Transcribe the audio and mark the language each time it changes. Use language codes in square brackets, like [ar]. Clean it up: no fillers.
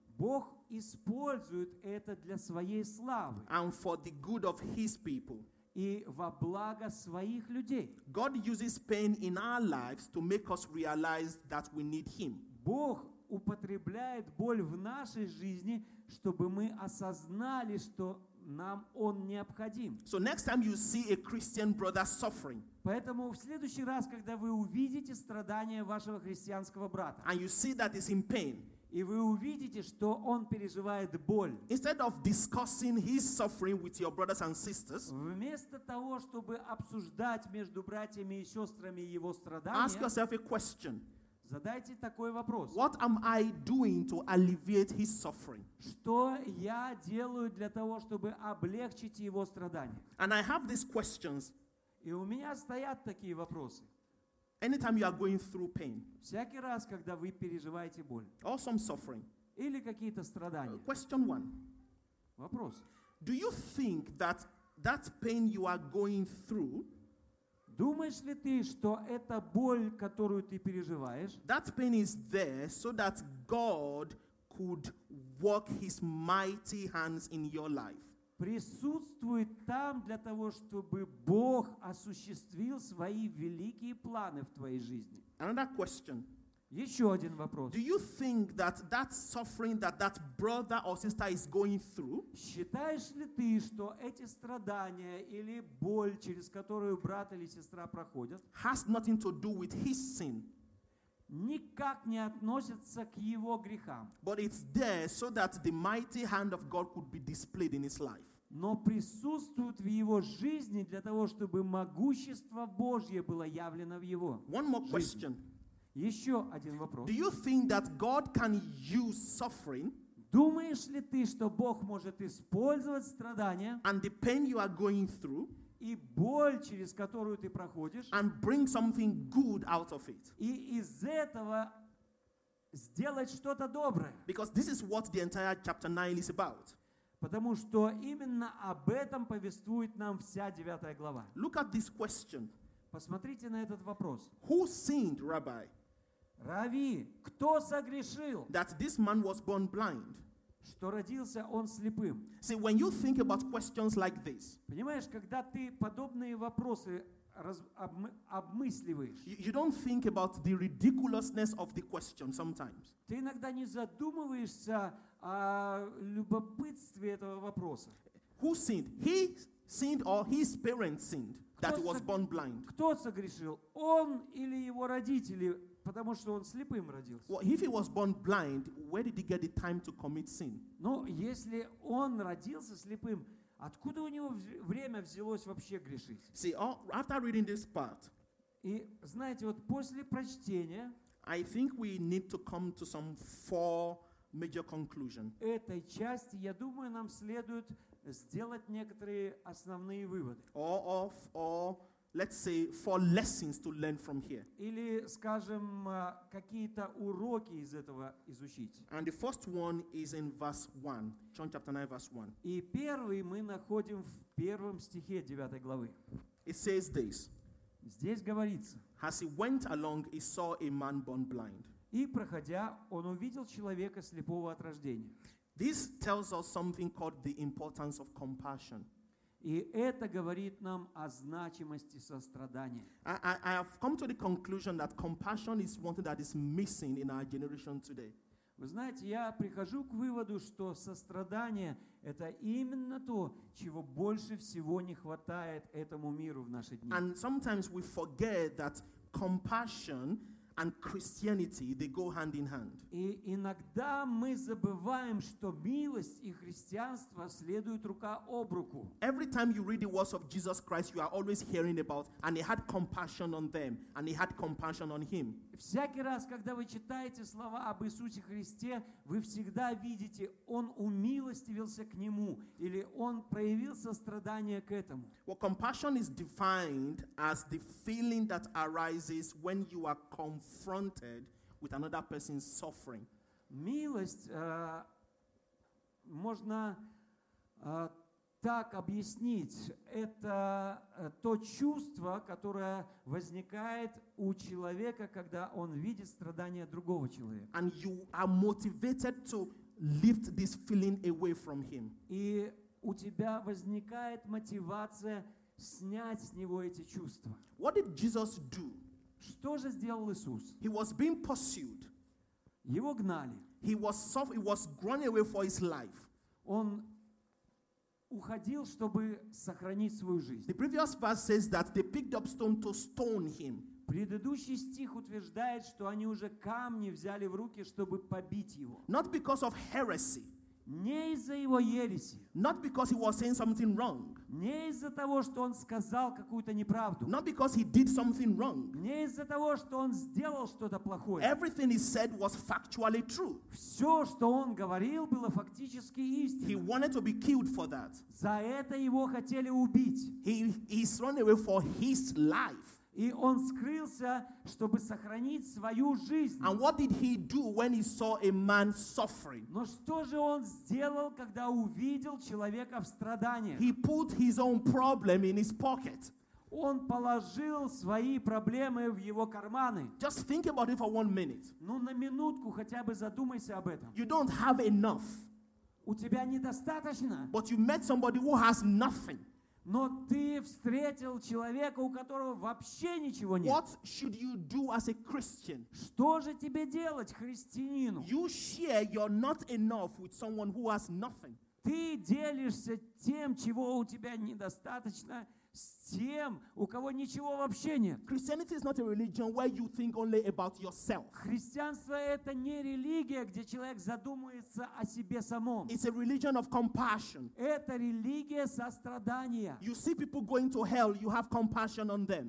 [ru] Бог использует это для своей славы. [en] And for the good of His people. [ru] И во благо своих людей. [en] God uses pain in our lives to make us realize that we need Him. [ru] Бог употребляет боль в нашей жизни, чтобы мы осознали, что нам Он необходим. [en] So next time you see a Christian brother suffering, [ru] поэтому в следующий раз, когда вы увидите страдания вашего христианского брата, [en] and you see that it's in pain, [ru] и вы увидите, что он переживает боль. [en] Instead of discussing his suffering with your brothers and sisters, [ru] вместо того, чтобы обсуждать между братьями и сестрами его страдания, [en] ask yourself a question. [ru] Задайте такой вопрос. [en] What am I doing to alleviate his suffering? [ru] Что я делаю для того, чтобы облегчить его страдания? [en] And I have these questions. [ru] И у меня стоят такие вопросы. [en] Anytime you are going through pain, [ru] всякий раз, когда вы переживаете боль, [en] or some suffering, [ru] или какие-то страдания. [en] Question one. [ru] Вопрос. [en] Do you think that that pain you are going through, [ru] думаешь ли ты, что эта боль, которую ты переживаешь, [en] that pain is there so that God could work His mighty hands in your life? [ru] Присутствует там для того, чтобы Бог осуществил свои великие планы в твоей жизни. [en] Another question. [ru] Еще один вопрос. [en] Do you think that that suffering that that brother or sister is going through? [ru] Считаешь ли ты, что эти страдания или боль, через которую брат или сестра проходят, [en] has nothing to do with his sin? [ru] Никак не относится к его грехам. [en] But it's there so that the mighty hand of God could be displayed in his life. [ru] Но присутствует в его жизни для того, чтобы могущество Божье было явлено в его жизни. [en] One more question. [ru] Еще один вопрос. [en] Do you think that God can use suffering? [ru] Думаешь ли ты, что Бог может использовать страдания? [en] And the pain you are going through? [ru] И боль, через которую ты проходишь, [en] and bring something good out of it. [ru] И из этого сделать что-то доброе. [en] Because this is what the entire chapter 9 is about. [ru] Потому что именно об этом повествует нам вся 9 глава. [en] Look at this question. [ru] Посмотрите на этот вопрос. [en] Who sinned, Rabbi? [ru] Рави, кто согрешил? [en] That this man was born blind. [ru] Что родился он слепым. [en] See, when you think about questions like this, [ru] понимаешь, когда ты подобные вопросы обмысливаешь, [en] you don't think about the ridiculousness of the question sometimes. [ru] Ты иногда не задумываешься о любопытстве этого вопроса. [en] Who sinned? He sinned or his parents sinned? that he was born blind. [ru] Кто согрешил, он или его родители, потому что он слепым родился? [en] Well, if he was born blind, where did he get the time to commit sin? [ru] Но если он родился слепым, откуда у него время взялось вообще грешить? [en] See, after reading this part, [ru] и знаете, вот после прочтения, [en] I think we need to come to some four major conclusions. [ru] Этой части, я думаю, нам следует сделать некоторые основные выводы. [en] Or let's say four lessons to learn from here. [ru] Или, скажем, какие-то уроки из этого изучить. [en] And the first one is in verse 1, John chapter 9, verse 1. [ru] И первый мы находим в первом стихе 9 главы. [en] It says this. [ru] Здесь говорится. [en] As he went along, he saw a man born blind. [ru] И проходя, он увидел человека слепого от рождения. [en] This tells us something called the importance of compassion. [ru] И это говорит нам о значимости сострадания. [en] I have come to the conclusion that compassion is one thing that is missing in our generation today. [ru] Вы знаете, я прихожу к выводу, что сострадание – это именно то, чего больше всего не хватает этому миру в наши дни. [en] And sometimes we forget that compassion and Christianity, they go hand in hand. [ru] И иногда мы забываем, что милость и христианство следуют рука об руку. [en] Every time you read the words of Jesus Christ, you are always hearing about, and he had compassion on them, and he had compassion on him. [ru] Всякий раз, когда вы читаете слова об Иисусе Христе, вы всегда видите, он умилостивился к нему, или он проявил сострадание к этому. [en] Well, compassion is defined as the feeling that arises when you are confronted with another person's suffering. [ru] Милость можно так объяснить. Это то чувство, которое возникает у человека, когда он видит страдания другого человека. [en] And you are motivated to lift this feeling away from him. [ru] И у тебя возникает мотивация снять с него эти чувства. [en] What did Jesus do? [ru] Что же сделал Иисус? [en] He was being pursued. [ru] Его гнали. [en] He was running away for his life. [ru] Он уходил, чтобы сохранить свою жизнь. [en] The previous verse says that they picked up stone to stone him. [ru] Предыдущий стих утверждает, что они уже камни взяли в руки, чтобы побить его. [en] Not because of heresy. [ru] Не из-за его ереси. [en] Not because he was saying something wrong. [ru] Не из-за того, что он сказал какую-то неправду. [en] Not because he did something wrong. [ru] Не из-за того, что он сделал что-то плохое. [en] Everything he said was factually true. [ru] Все, что он говорил, было фактически истиной. [en] He wanted to be killed for that. [ru] За это его хотели убить. [en] He's run away for his life. [ru] И он скрылся, чтобы сохранить свою жизнь. [en] And what did he do when he saw a man suffering? [ru] Но что же он сделал, когда увидел человека в страданиях? [en] He put his own problem in his pocket. [ru] Он положил свои проблемы в его карманы. [en] Just think about it for one minute. [ru] Ну, на минутку хотя бы задумайся об этом. [en] You don't have enough. [ru] У тебя недостаточно. [en] But you met somebody who has nothing. [ru] Но ты встретил человека, у которого вообще ничего нет. [en] What should you do as a Christian? [ru] Что же тебе делать, христианину? [en] You share your not enough with someone who has nothing. [ru] Ты делишься тем, чего у тебя недостаточно, с тем, у кого ничего вообще нет. [en] Christianity is not a religion where you think only about yourself. [ru] Христианство — это не религия, где человек задумывается о себе самом. [en] It's a religion of compassion. [ru] Это религия сострадания. [en] You see people going to hell, you have compassion on them.